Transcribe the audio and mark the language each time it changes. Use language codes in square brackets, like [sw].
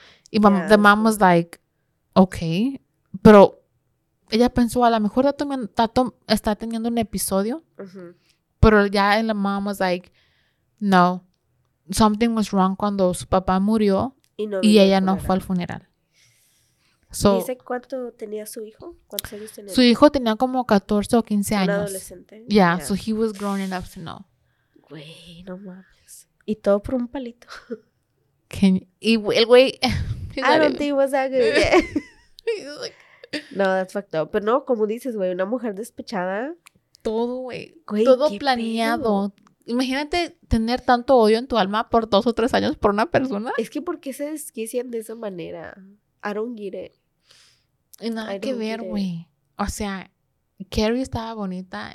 [es] Y [en] the mom was like, okay. [es] Pero ella pensó, a lo mejor Tato está teniendo un episodio. Uh-huh. Pero ya la [en] mom was like, no, something was wrong [es] cuando su papá murió y ella no fue al funeral. So, ¿dice cuánto tenía su hijo? ¿Cuántos años tenía? Su hijo tenía como 14 o 15 años. Un adolescente. [en] Yeah, so he was grown enough to know. [es] Güey, no mames. Y todo por un palito. El güey... [en] I don't think it was that good. Yeah. No, that's fucked up. [es] Pero no, como dices, güey, una mujer despechada. Todo, güey. Todo planeado. Pedo. Imagínate tener tanto odio en tu alma por 2 o 3 años por una persona. Es que ¿por qué se desquician de esa manera? [en] I don't get it. [es] Y nada que ver, güey. O sea, Kerry estaba bonita.